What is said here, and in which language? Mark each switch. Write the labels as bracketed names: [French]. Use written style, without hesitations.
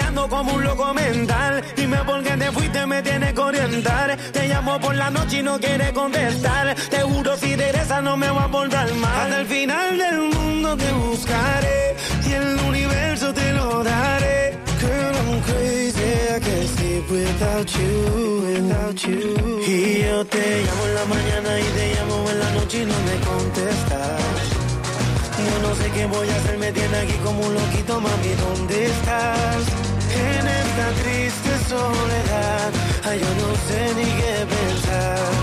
[Spanish] como un loco mental. Dime por qué te fuiste me tienes que orientar. Te llamo por la noche y no quieres contestar. Te juro si regresas no me va a volver mal. Hasta el final del mundo te buscaré y el universo te lo daré. [English] Girl, I'm crazy, I can't sleep without you, without you. [Spanish] Y yo te llamo en la mañana y te llamo en la noche y no me contestas. Yo no sé qué voy a hacer, me tienes aquí como un loquito, mami, ¿dónde estás? En esta triste soledad, ay, yo no sé ni qué pensar.